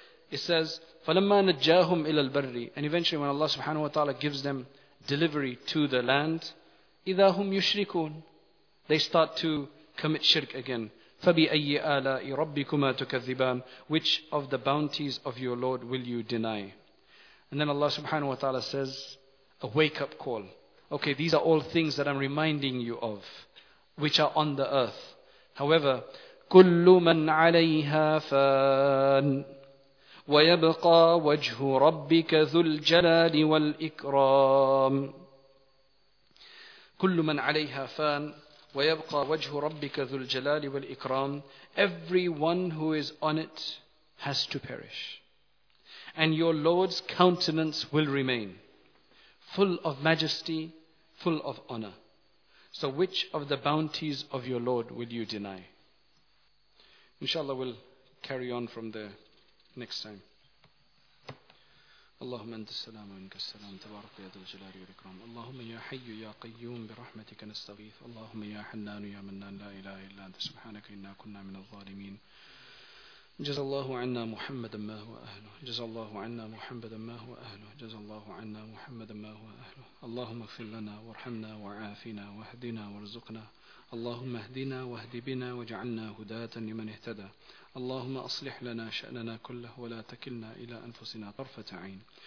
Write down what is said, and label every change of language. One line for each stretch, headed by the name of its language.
English: It says,
Arabic: فَلَمَّا نَجَّاهُمْ إِلَى الْبَرِّ
English: And eventually when Allah subhanahu wa ta'ala gives them delivery to the land,
Arabic: إِذَا هُمْ يُشْرِكُونَ
English: They start to commit shirk again.
Arabic: فَبِأَيِّ آلَاءِ رَبِّكُمَا تُكَذِّبَانِ
English: Which of the bounties of your Lord will you deny? And then Allah subhanahu wa ta'ala says, a wake-up call. Okay, these are all things that I'm reminding you of, which are on the earth. However,
Arabic: كُلُّ مَنْ عَلَيْهَا فَانِ وَيَبْقَى وَجْهُ رَبِّكَ ذُو الْجَلَالِ وَالْإِكْرَامِ كُلُّ مَنْ عَلَيْهَا فَانِ وَيَبْقَى وَجْهُ رَبِّكَ ذُو الْجَلَالِ وَالْإِكْرَامِ
English: Everyone who is on it has to perish. And your Lord's countenance will remain, full of majesty, full of honor. So which of the bounties of your Lord will you deny? Inshallah, we'll carry on from there next time.
Arabic: اللهم أنت السلام ومنك السلام تبارك يا ذا الجلال والإكرام اللهم يا حي يا قيوم برحمتك نستغيث اللهم يا حنان يا منان لا إله إلا أنت سبحانك إنا كنا من الظالمين جزا الله عنا محمدا ما هو أهله جزا الله عنا محمدا ما هو أهله جزا الله عنا محمدا ما هو أهله اللهم اغفر لنا وارحمنا وعافنا واهدنا وارزقنا اللهم اهدنا واهد بنا واجعلنا هداة لمن اهتدى اللهم أصلح لنا شأننا كله ولا تكلنا إلى أنفسنا طرفة عين